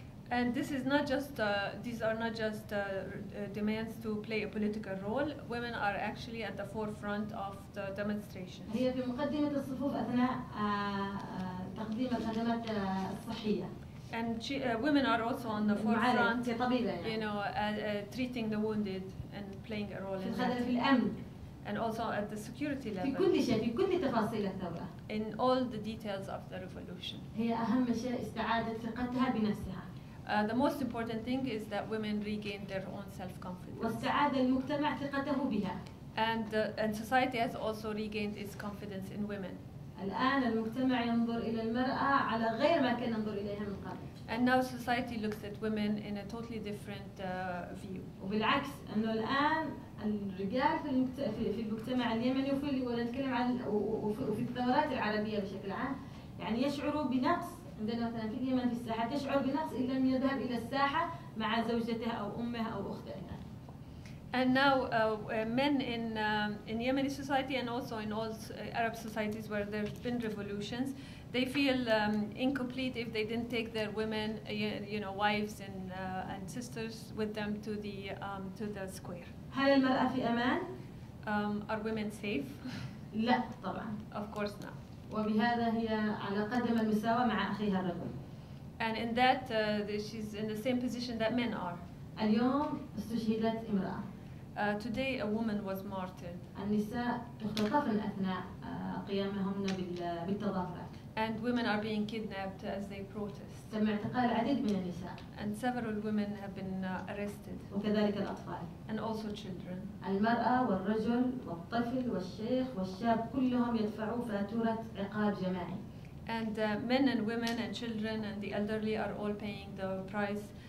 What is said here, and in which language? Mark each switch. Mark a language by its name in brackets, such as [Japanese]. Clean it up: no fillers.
[English] And this is not just these are not just demands to play a political role. Women are actually at the forefront of the demonstrations. [Arabic] هي في مقدمة الصفوف أثناء تقديم الخدمات الصحية. [English] And she, women are also on the forefront, يعني. You know, treating the wounded and playing a role in that. [Arabic] في الأمن. [English] And also at the security level. [Arabic] في كل شيء في كل تفاصيل الثورة. [English] In all the details of the revolution. [Arabic] هي أهم شيء استعادة ثقتها بنفسها. [English] The most important thing is that women regain their own self-confidence. [Arabic] واستعاد المجتمع ثقته بها. [English] And society has also regained its confidence in women. [Arabic] الآن المجتمع ينظر إلى المرأة على غير ما كان ينظر إليها من قبل. [English] And now society looks at women in a totally different view. [Arabic] وبالعكس إنه الآن الرجال في المجتمع اليمني ونتكلم عن وفي الثورات العربية بشكل عام يعني يشعروا بنقص. عندنا مثلا في اليمن في الساحة تشعر بنقص إن لم يذهب إلى الساحة مع زوجتها أو أمها أو أختها. [English] And now men in Yemeni society and also in all Arab societies where there have been revolutions, they feel incomplete if they didn't take their women, you know, wives and sisters with them to the square. [Arabic] هل المرأة في أمان؟ [English] Are women safe? [Arabic] لا طبعاً. [English] Of course not. [Arabic] وبهذا هي على قدم المساواة مع أخيها الرجل. [English] And in that she's in the same position that men are. [Arabic] اليوم استشهدت امرأة. [English] Today a woman was martyred. [Arabic] النساء اختطفن أثناء قيامهن بالتظاهرات. [English] And women are being kidnapped as they protest. [Arabic] تم اعتقال العديد من النساء. [English] And several women have been arrested. [Arabic] وكذلك الأطفال. [English] And also children. [Arabic] المرأة والرجل والطفل والشيخ والشاب كلهم يدفعوا فاتورة عقاب جماعي. [English] And men and women and children and the elderly are all paying the price.